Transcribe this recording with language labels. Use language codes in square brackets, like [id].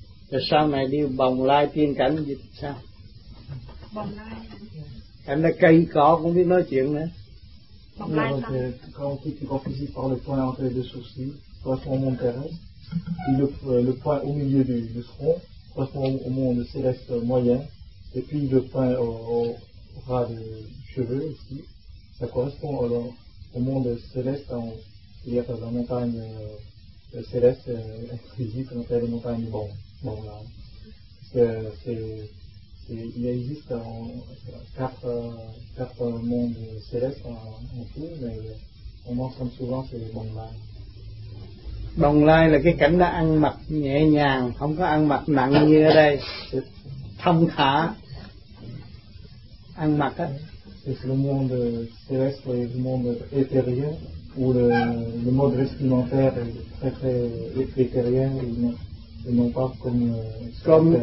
[vi] Rồi sau này đi bồng lai tiên cảnh dịch sao? Bồng lai. Cảnh là cây cỏ cũng biết nói chuyện nữa. [fr] Quand on quitte le corps physique par le point entre les deux sourcils, correspond au monde terrestre, puis le point au milieu du front correspond au monde céleste moyen, et puis le point au ras des cheveux ici, ça correspond alors au monde céleste, c'est-à-dire la montagne céleste exclusive qu'on appelle la montagne bon. Bon là, il existe quatre mondes célestes en tout, mais on mentionne souvent c'est les Bồng Lai. [vi] Bồng Lai là cái cảnh đó ăn mặc nhẹ nhàng, không có ăn mặc nặng như ở đây, thông thả ăn mặc á. [fr] C'est le monde céleste et le monde éthérien, où le mode vestimentaire est très très éthérien, non pas comme